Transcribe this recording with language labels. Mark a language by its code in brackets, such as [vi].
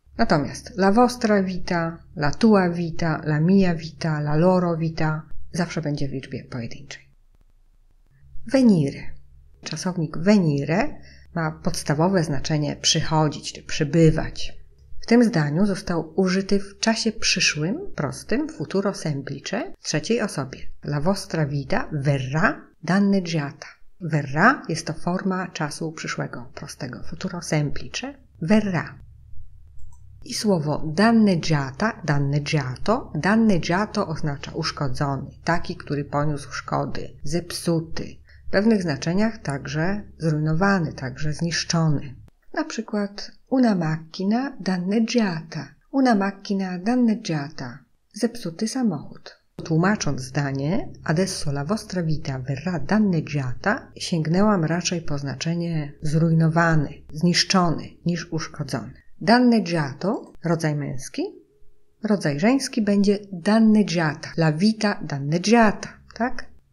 [it] Natomiast la vostra vita, la tua vita, la mia vita, la loro vita [pl] zawsze będzie w liczbie pojedynczej. [it] Venire. [pl] Czasownik venire ma podstawowe znaczenie przychodzić czy przybywać. W tym zdaniu został użyty w czasie przyszłym, prostym, futuro semplice, w trzeciej osobie. [it] La vostra vita verrà danneggiata. [pl] Verrà jest to forma czasu przyszłego, prostego, futuro semplice. [it] Verrà. [pl] I słowo danneggiata, danneggiato. Danneggiato oznacza uszkodzony, taki, który poniósł szkody, zepsuty. W pewnych znaczeniach także zrujnowany, także zniszczony. Na przykład [it] una macchina danneggiata. Una macchina danneggiata. [pl] Zepsuty samochód. Tłumacząc zdanie, [it] adesso la vostra vita verrà danneggiata, [pl] sięgnęłam raczej po znaczenie zrujnowany, zniszczony niż uszkodzony. Danneggiato, rodzaj męski, rodzaj żeński będzie danneggiata, [it] la vita danneggiata, [pl] tak?